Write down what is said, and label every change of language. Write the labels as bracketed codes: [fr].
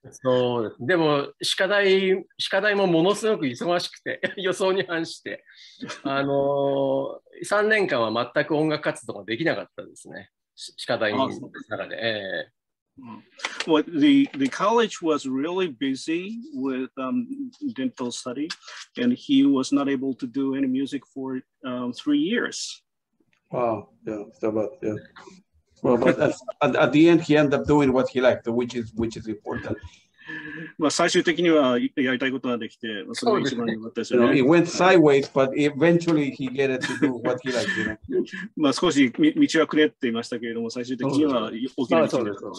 [ja] そう、でも歯科大もものすごく忙しくて、予想に反して、3年間は全く音楽活動ができなかったですね、歯科大の中で。 [en] Well, the college was really busy with dental study, and he was not able to do any music for 3 years. Wow, yeah, but yeah. Well, but at the end, he ended up doing what he liked, which is important. [ja] Well, 最終的にはやりたいことができて、それが一番良かったですよね。 [en] You know, it went sideways, but eventually he get it to do what he liked, you know? [ja] まあ少し道はくれって言いましたけれども、最終的には大きな道です